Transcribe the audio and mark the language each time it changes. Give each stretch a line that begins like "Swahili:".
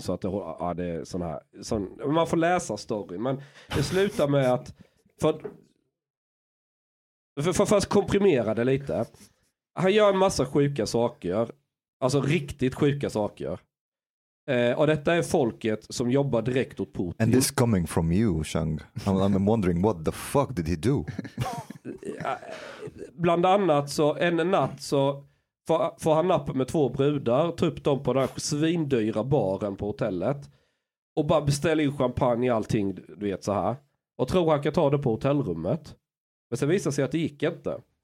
Swedish: Så att det, ja, det är sån här, sån, man får läsa story, men det slutar med att för att komprimera det lite. Han gör en massa sjuka saker, alltså riktigt sjuka saker. Och detta är folket som jobbar direkt åt Putin.
English: And this coming from you, Chang. I'm wondering, what the fuck did he do?
Swedish: Bland annat så en natt så får han napp med två brudar, tar upp dem på den här svindyra baren på hotellet och bara beställer in champagne och allting, du vet, så här. Och tror han kan ta det på hotellrummet. Men sen visar sig att det gick inte.